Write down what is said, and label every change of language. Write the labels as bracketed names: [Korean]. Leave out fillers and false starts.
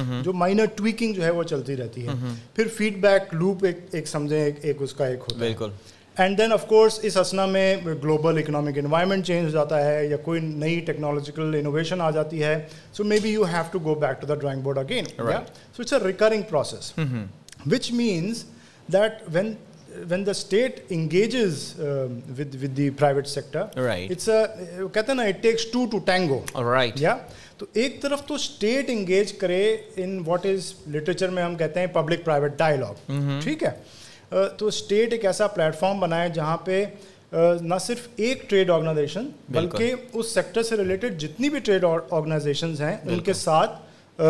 [Urdu] جو minor tweaking جو ہے وہ چلتی رہتی ہے, پھر فیڈ بیک لوپ ایک سمجھیں, ایک اس کا ایک ہوتا ہے. بالکل, اینڈ دین آف کورس اس اسنا میں گلوبل اکنامک انوائرمنٹ چینج ہو جاتا ہے یا کوئی نئی ٹیکنالوجیکل انوویشن آ جاتی ہے, [English] So maybe you have to go back to the drawing board again. So it's a recurring process, which means that when the state engages with the private sector, it's a, [Urdu] کہتے ہیں نا, [English] It takes two to tango. Right, [Urdu] یا تو ایک طرف تو state engage کرے in what is literature میں ہم کہتے ہیں پبلک پرائیویٹ ڈائیلاگ, ٹھیک ہے, تو اسٹیٹ ایک ایسا پلیٹ فارم بنائے جہاں پہ نہ صرف ایک ٹریڈ آرگنائزیشن بلکہ اس سیکٹر سے ریلیٹڈ جتنی بھی ٹریڈ آرگنائزیشنز ہیں ان کے ساتھ